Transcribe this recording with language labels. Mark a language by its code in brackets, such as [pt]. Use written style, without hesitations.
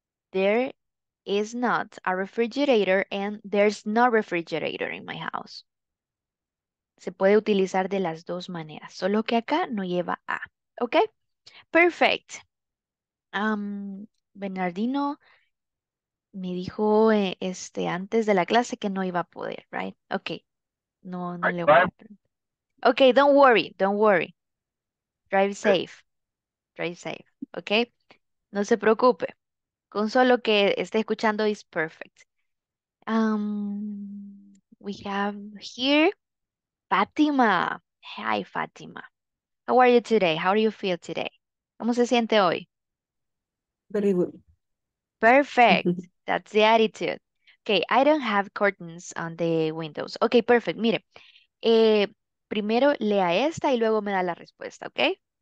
[en] There is not a refrigerator and there's no refrigerator in my house. [es] Se puede utilizar de las dos maneras, solo que acá no lleva a, okay? [en] Perfect. [es] Bernardino me dijo antes de la clase que no iba a poder, right? [en] Okay. [es] No le voy a preguntar. [en] Okay, don't worry. Drive safe. Drive safe, [es] okay? No se preocupe. Con solo que esté escuchando [en] is perfect. We have here Fátima. Hi, Fátima. How are you today? How do you feel today? [es] ¿Cómo se siente hoy? [en] Very good. Perfect. That's the attitude. Okay, I don't have curtains on the windows. Okay, perfect. [es] Mire, primero lea esta y luego me da la respuesta, okay?